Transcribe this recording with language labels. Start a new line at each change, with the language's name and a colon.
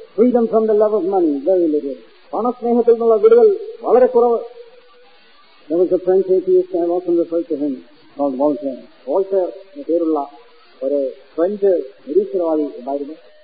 English: freedom from the love of money,
Malayalam: പണസ്നേഹത്തിൽ നിന്നുള്ള വിടുതൽ വളരെ കുറവ്.
English: There was a French atheist and I often referred to him called Voltaire.
Malayalam: Voltaire എന്ന പേരുള്ള ഒരു ഫ്രഞ്ച് നിരീശ്വരവാദി ഉണ്ടായിരുന്നു.